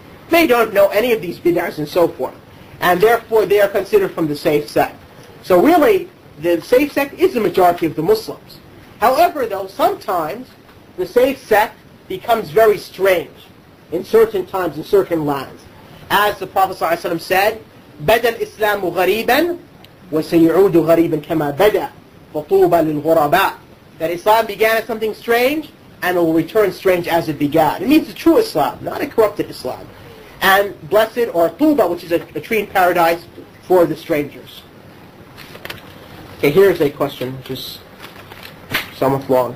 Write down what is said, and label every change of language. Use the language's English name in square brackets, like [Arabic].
[English] They don't know any of these bid'ahs and so forth, and therefore they are considered from the same sect. So really, the same sect is the majority of the Muslims. However, though, sometimes the same sect becomes very strange in certain times, in certain lands. As the Prophet ﷺ said, [Arabic] بَدَى الْإِسْلَامُ غَرِيبًا وَسَيْعُودُ غَرِيبًا كَمَا بَدَى فَطُوبَ لِلْغُرَبَاءِ. [English] That Islam began as something strange, and it will return strange as it began. It means a true Islam, not a corrupted Islam. And blessed, or طُوبَ, which is a tree in paradise, for the strangers. Okay, here's a question, just somewhat long.